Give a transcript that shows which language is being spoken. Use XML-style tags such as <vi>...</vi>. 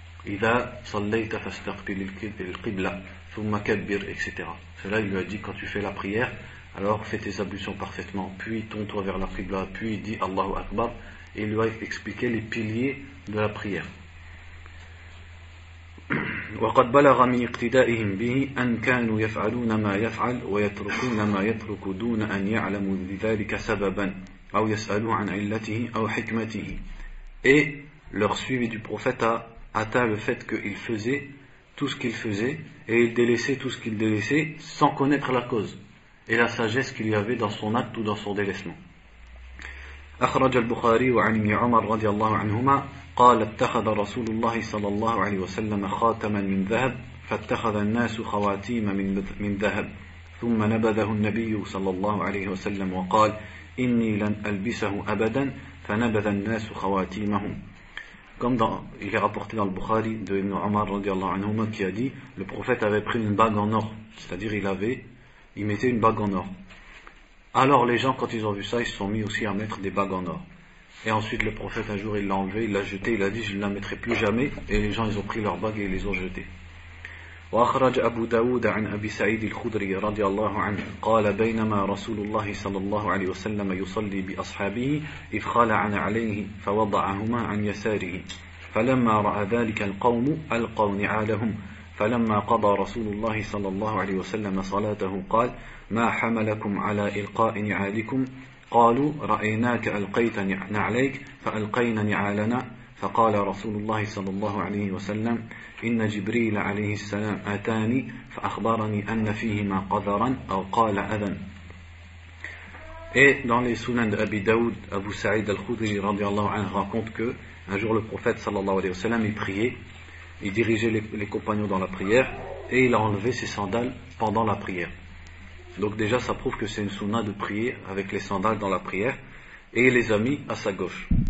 <ar>Idha sallayta fastaqbil al-qibla thumma kabbir, etc.</ar> <fr>Cela il lui a dit, quand tu fais la prière, alors fais tes ablutions parfaitement, puis tourne-toi vers la qibla, puis dis Allahu Akbar. Et il lui a expliqué les piliers de la prière.</fr> <ar>وقد بلغ من اقتدائهم به أن كانوا يفعلون ما يفعل ويتركون ما يترك دون أن يعلموا لذلك سببا أو يسألوا عن علته أو حكمته.</ar> <fr>Et leur suivi du prophète a atteint le fait qu'ils faisaient tout ce qu'ils faisaient et ils délaissaient tout ce qu'ils délaissaient sans connaître la cause et la sagesse qu'il y avait dans son acte ou dans son délaissement.</fr> <ar>أخرج البخاري عن ابن عمر رضي الله عنهما قال اتخذ رسول الله صلى الله عليه وسلم خاتما من ذهب فاتخذ الناس خواتيم من ذهب ثم نبذه النبي صلى الله عليه وسلم وقال إني لن ألبسه أبدا فنبذ الناس خواتيمهم.</ar> <fr>Comme dans, il est rapporté dans le Bukhari de Ibn Omar</fr> <ar>رضي الله عنه</ar> <fr>qui a dit, le prophète avait pris une bague en or, c'est-à-dire il mettait une bague en or. Alors les gens, quand ils ont vu ça, ils se sont mis aussi à mettre des bagues en or. Et ensuite le prophète, un jour, il l'a enlevé, il l'a jeté, il a dit, je ne la mettrai plus jamais. Et les gens, ils ont pris leurs bagues et ils les ont jetées.</fr> <ar>وخرج أبو داود عن أبي سعيد الخدري رضي الله عنه قال بينما رسول الله صلى الله عليه وسلم يصلي بأصحابه إذ خلعن عليه فوضعهما عن يساره فلما رأى ذلك القوم ألقوا نعالهم فلما قضى رسول الله صلى الله عليه وسلم صلاته قال ما حملكم على إلقاء نعالكم؟ قالوا رأيناك ألقيت نعليك فألقينا نعالنا فقال رسول الله صلى الله عليه وسلم إن جبريل عليه السلام أتاني فأخبرني أن فيهما قذرا أو قال أذى.</ar> <fr>Et dans les sunan d'Abi Daoud, Abu Sa'id al-Khudri</fr> <ar>radiallahu anhu</ar> <fr>raconte que un jour le prophète</fr> <ar>sallallahu alayhi wa sallam</ar> <fr>il priait, il dirigeait les compagnons dans la prière et il a enlevé ses sandales pendant la prière. Donc déjà ça prouve que c'est une sunna de prier avec les sandales dans la prière et il les a mis à sa gauche.</fr>